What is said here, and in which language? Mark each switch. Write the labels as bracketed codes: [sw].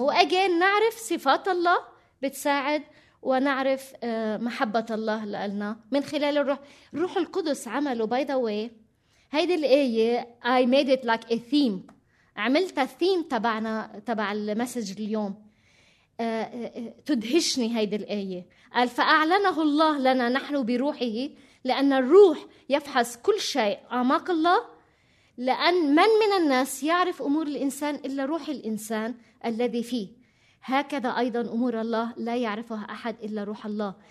[ar] وأجين نعرف صفات الله بتساعد، ونعرف محبة الله لنا من خلال الروح القدس عمله. [en] by the way [ar] هيدا الآية [en] I made it like a theme، [ar] عملت theme تبعنا تبع المسج اليوم. تدهشني هيدا الآية، قال فأعلنه الله لنا نحن بروحه، لأن الروح يفحص كل شيء أعماق الله، لأن من من الناس يعرف أمور الإنسان إلا روح الإنسان الذي فيه، هكذا أيضا أمور الله لا يعرفها أحد إلا روح الله.